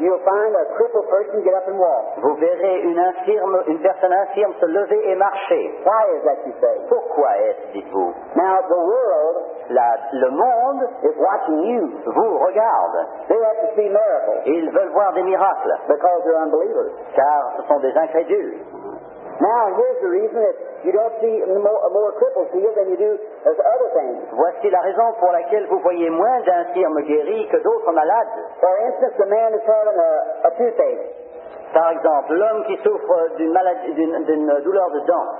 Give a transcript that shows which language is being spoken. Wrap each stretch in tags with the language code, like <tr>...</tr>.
<en>you'll find a crippled person get up and walk.</en> <fr>Vous verrez une personne infirme se lever et marcher.</fr> <en>Why is that, you say?</en> <fr>Pourquoi est-ce, dites-vous?</fr> <en>Now the world,</en> <fr>le monde,</fr> <en>is watching you.</en> <fr>Vous regarde.</fr> <en>They have to see miracles.</en> <fr>Ils veulent voir des miracles.</fr> <en>Because they're unbelievers.</en> <fr>Car ce sont des incrédules.</fr> <en>Now, here's the reason that you don't see more cripples healed than you do as other things.</en> <fr>Voici la raison pour laquelle vous voyez moins d'infirmes guéris que d'autres malades.</fr> <en>For instance, the man is having a toothache.</en> <fr>Par exemple, l'homme qui souffre d'une maladie, d'une douleur de dent.</fr>